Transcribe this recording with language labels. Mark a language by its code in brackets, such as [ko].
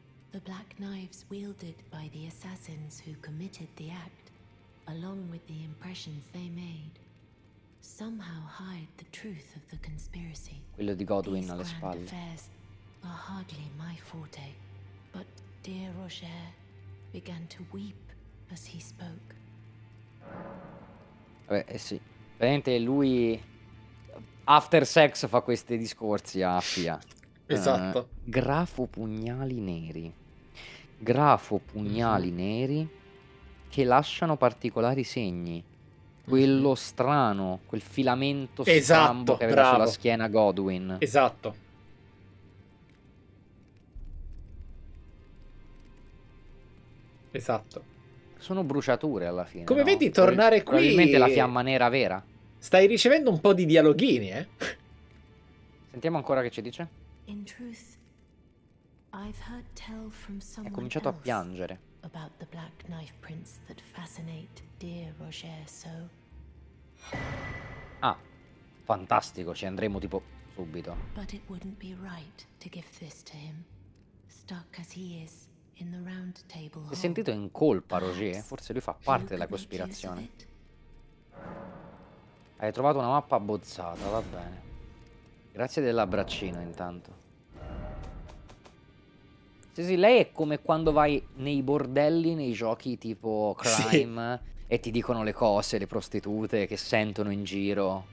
[en] The black knives wielded by the assassins who committed the act, along with the impressions they made. Somehow hide the truth of the conspiracy. [it] Quello di Godwin alle spalle. [en] These grand affairs are hardly my forte, but dear Roger began to weep as he spoke. [it] Vabbè, sì. Veramente lui [en] after sex [it] fa questi discorsi a Fia. Esatto. Grafo pugnali neri. Grafo pugnali neri che lasciano particolari segni. Quello strano, quel filamento strambo, esatto, che aveva, bravo, sulla schiena Godwin. Esatto. Esatto. Sono bruciature alla fine. Come, no? Vedi, tornare qui... Probabilmente la fiamma nera vera. Stai ricevendo un po' di dialoghini, eh? Sentiamo ancora che ci dice. [en] In truth, I've heard tell from someone. [it] È cominciato a piangere. [en] About the black knife prints that fascinate dear Roger so. [it] Ah, fantastico, ci andremo tipo subito. [en] But it wouldn't be right to give this to him, stuck as he is in the round table. [it] Si è sentito in colpa Roger, forse lui fa parte della cospirazione. Hai trovato una mappa abbozzata, va bene. Grazie dell'abbraccino intanto. Sì, sì, lei è come quando vai nei bordelli, nei giochi tipo crime, sì, e ti dicono le cose, le prostitute che sentono in giro.